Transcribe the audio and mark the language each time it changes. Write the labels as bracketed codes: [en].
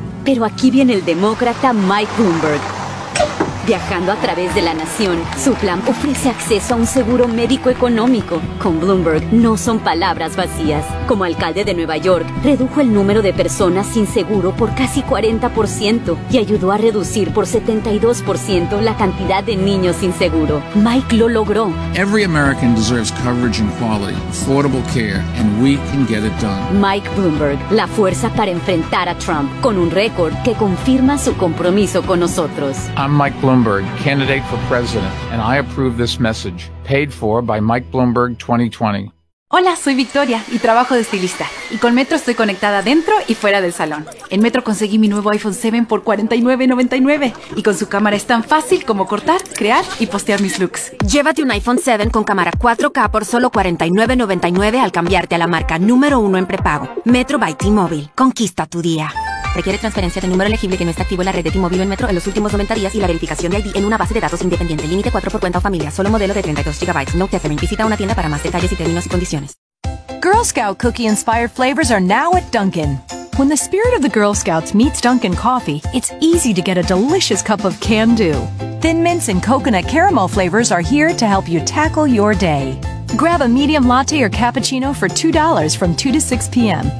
[es] Pero aquí viene el demócrata Mike Bloomberg. Viajando a través de la nación, su plan ofrece acceso a un seguro médico económico. Con Bloomberg no son palabras vacías. Como alcalde de Nueva York, redujo el número de personas sin seguro por casi 40% y ayudó a reducir por 72% la cantidad de niños sin seguro. Mike lo logró. [en] Every American deserves coverage and quality, affordable care, and we can get it done. [es] Mike Bloomberg, la fuerza para enfrentar a Trump, con un récord que confirma su compromiso con nosotros. [en] I'm Mike Bloomberg, candidate for president, and I approve this message, paid for by Mike Bloomberg 2020. [es] Hola, soy Victoria y trabajo de estilista. Y con Metro estoy conectada dentro y fuera del salón. En Metro conseguí mi nuevo iPhone 7 por $49.99. Y con su cámara es tan fácil como cortar, crear y postear mis looks. Llévate un iPhone 7 con cámara 4K por solo $49.99 al cambiarte a la marca número uno en prepago. Metro by T-Mobile. Conquista tu día. Requiere transferencia de número elegible que no está activo en la red de T-Mobile en Metro en los últimos 90 días y la verificación de ID en una base de datos independiente. Límite 4 por cuenta o familia. Solo modelo de 32 GB. No te hacen. Visita una tienda para más detalles y términos y condiciones. [en] Girl Scout cookie-inspired flavors are now at Dunkin'. When the spirit of the Girl Scouts meets Dunkin' coffee, it's easy to get a delicious cup of can-do. Thin mints and coconut caramel flavors are here to help you tackle your day. Grab a medium latte or cappuccino for $2 from 2 to 6 p.m.